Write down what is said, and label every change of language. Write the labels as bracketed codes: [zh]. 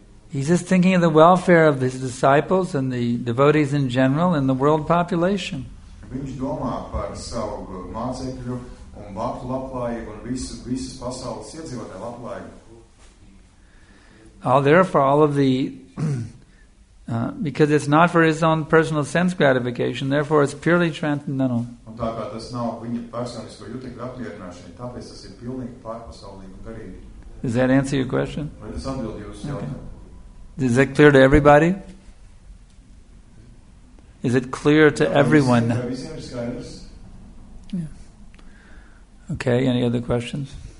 [en] He's just thinking of the welfare of his disciples and the devotees in general and the world population. [lv] Viņš domā par savu mācekļu un baktu labklājību un visas pasaules iedzīvotāju labklājību. [en] Therefore, all of the because it's not for his own personal sense gratification, therefore it's purely transcendental. [lv] Un tā kā tas nav viņa personisko jūtekļu apmierināšana, tāpēc tas ir pilnīgi pārpasaulīgi un garīgi. [en] Does that answer your question? [lv] Vai tas atbild jūsu jautājumu? [en] Is that clear to everybody? Is it clear to everyone? Yeah. Okay, any other questions?